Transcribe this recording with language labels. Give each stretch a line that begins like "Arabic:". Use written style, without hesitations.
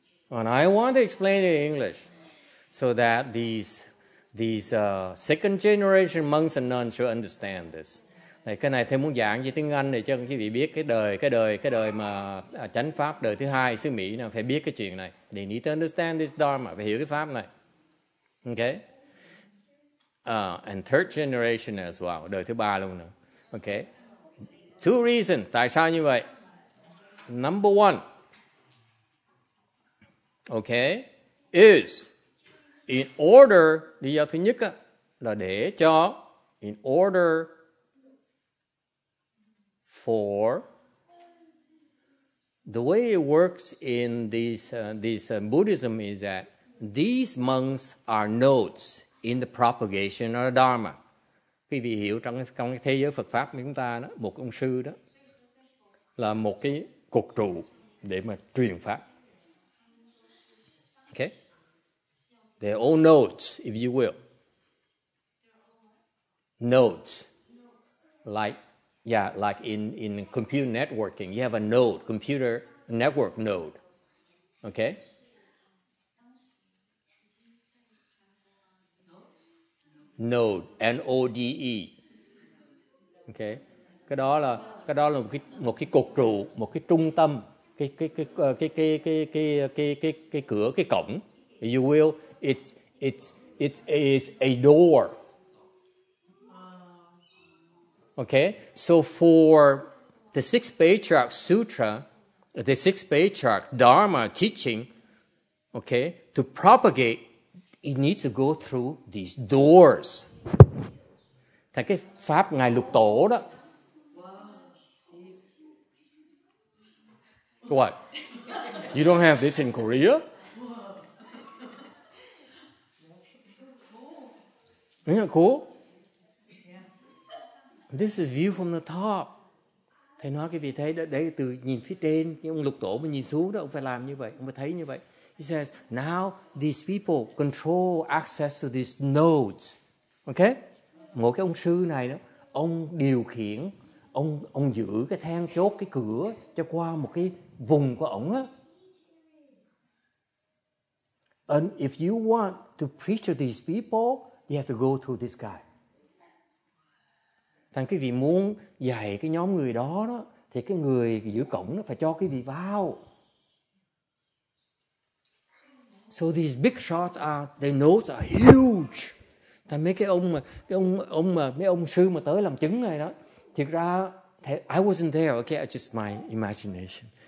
English: And I want to explain it in English so that these second generation monks and nuns should understand this.
Vietnamese: Này, cái này thầy muốn giảng về tiếng Anh để cho quý vị biết cái đời mà chánh pháp đời thứ hai xứ Mỹ nào phải biết cái chuyện này.
English: They need to understand this dharma,
Vietnamese: phải hiểu cái pháp này.
English: Okay? And third generation as well,
Vietnamese: đời thứ ba luôn nữa.
English: Okay? Two reasons,
Vietnamese: tại sao như vậy?
English: Number one, okay, is in order,
Vietnamese: lý do thứ nhất là để cho,
English: in order for, the way it works in this Buddhism is that these monks are nodes in the propagation of the Dharma.
Vietnamese: Quý vị hiểu trong thế giới Phật Pháp của chúng ta, đó, một ông sư đó là một cái cột trụ để mà truyền Pháp.
English: Okay? They're all nodes, if you will. Nodes. Like in computer networking, you have a node, computer network node. Okay? Node, N-O-D-E. Okay?
Vietnamese: Cái đó là một cái cột trụ, một cái trung tâm, cái cửa, cái cổng.
English: You will, it is a door. Okay, so for the Six Patriarch Sutra, the Six Patriarch Dharma teaching, okay, to propagate, it needs to go through these doors.
Vietnamese: Thành cái pháp Ngài Lục Tổ đó.
English: What? You don't have this in Korea? Isn't that cool? This is view from the top.
Vietnamese: Thầy nói cái vị thấy đó, đấy từ nhìn phía trên, ông Lục Tổ mà nhìn xuống đó, ông phải làm như vậy, ông phải thấy như vậy.
English: He says, now these people control access to these nodes. Okay?
Vietnamese: Mỗi cái ông sư này đó, ông điều khiển, ông giữ cái then chốt, cái cửa cho qua một cái vùng của ông á.
English: And if you want to preach to these people, you have to go through this guy.
Vietnamese: Thành cái vị muốn dạy cái nhóm người đó đó thì cái người giữ cổng nó phải cho cái vị vào.
English: So these big shots are, their notes are huge.
Vietnamese: Thành mấy cái ông mà mấy ông sư mà tới làm chứng này đó, thực ra
English: I wasn't there, okay, it's just my imagination.